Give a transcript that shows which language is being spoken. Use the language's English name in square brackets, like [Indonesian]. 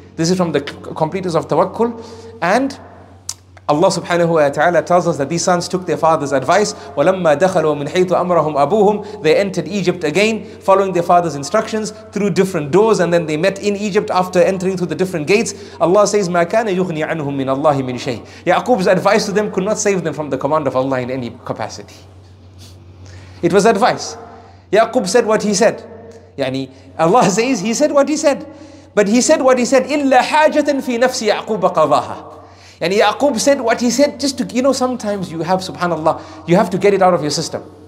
[English] This is from the completers of Tawakkul. And Allah subhanahu wa ta'ala tells us that these sons took their father's advice. [Arabic] وَلَمَّا دَخَلُوا مِنْ حَيْثُ أَمْرَهُمْ أَبُوهُمْ. [English] They entered Egypt again, following their father's instructions through different doors, and then they met in Egypt after entering through the different gates. Allah says, [Arabic] مَا كَانَ يُغْنِي عَنْهُمْ مِنَ اللَّهِ مِنْ شَيْءٍ. [English] Yaqub's advice to them could not save them from the command of Allah in any capacity. It was advice. Yaqub said what he said. Yani, Allah says he said what he said. But he said what he said. [Arabic] إِلَّا حَاجَةً فِي نَفْسِ يَعْقُوبَ قَضَاهَا. [English] And Yaqub said what he said, just to, you know, sometimes you have, subhanAllah, you have to get it out of your system.